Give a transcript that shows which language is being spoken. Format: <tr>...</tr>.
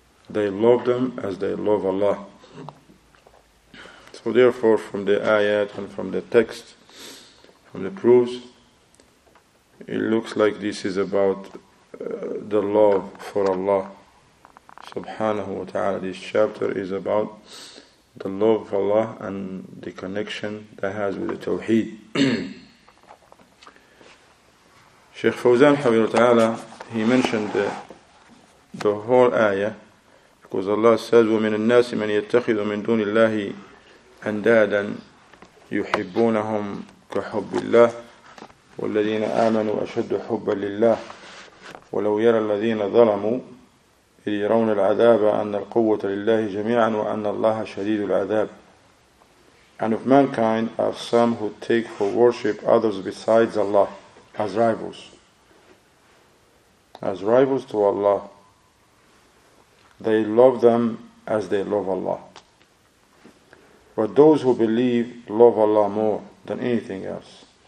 <en>They love them as they love Allah. So therefore, from the ayat and from the text, from the proofs, it looks like this is about the love for Allah subhanahu wa ta'ala. This chapter is about the love of Allah and the connection that has with the Tawheed. Sheikh Fawzan Hafidhahu wa ta'ala, he mentioned the whole ayah, because Allah says,</en> <ar>وَمِنَ النَّاسِ مَنْ يَتَّخِذُ مِنْ دُونِ اللَّهِ أَنْدَادًا يُحِبُّونَهُمْ كَحُبِّ اللَّهِ والذين آمنوا أشد حبا لله ولو يرى الذين ظلموا إذ يرون العذاب أن القوة لله جميعا وأن الله شديد العذاب.</ar> <en>And of mankind are some who take for worship others besides Allah as rivals. As rivals to Allah. They love them as they love Allah. But those who believe love Allah more than anything else.</en>